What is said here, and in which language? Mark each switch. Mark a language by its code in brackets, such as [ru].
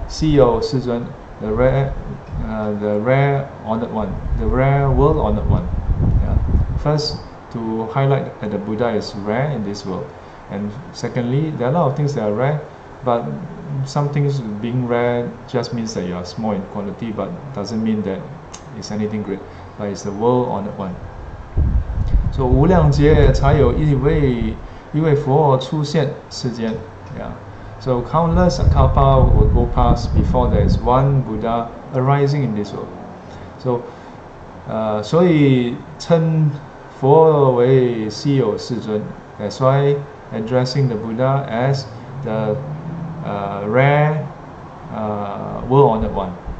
[en] 稀有世尊, the rare honored one, the rare world honored one. Yeah. First, to highlight that the Buddha is rare in this world. And secondly, there are a lot of things that are rare, but some things being rare just means that you are small in quantity, but doesn't mean that it's anything great. But it's the world honored one. [zh] So, 无量劫才有一位佛出现世间. [en] Yeah. So, countless kalpa would go past before there is one Buddha arising in this world. So, [zh] 所以称 佛为稀有世尊, [en] that's why addressing the Buddha as the rare world-honored one.